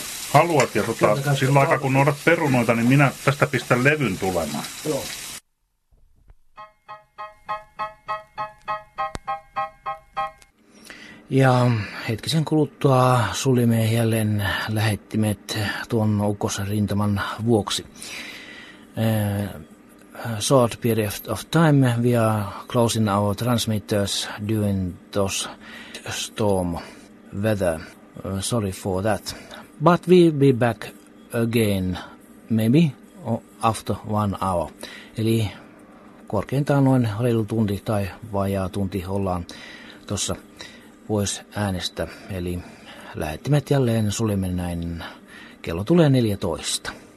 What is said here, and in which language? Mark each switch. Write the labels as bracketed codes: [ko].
[fi] haluat ja sillä aikaa, kun noudat perunoita, niin minä tästä pistän levyn tulemaan. Joo. Ja hetkisen kuluttua suljimme jälleen lähettimet tuon ukkosen rintaman vuoksi. [en] Short period of time, we are closing our transmitters during those storm weather. Sorry for that. But we'll be back again, maybe after 1 hour. [fi] Eli korkeintaan noin reilu tunti tai vajaa tunti ollaan tuossa pois äänestä, eli lähettimet jälleen suljemme näin, kello tulee 14.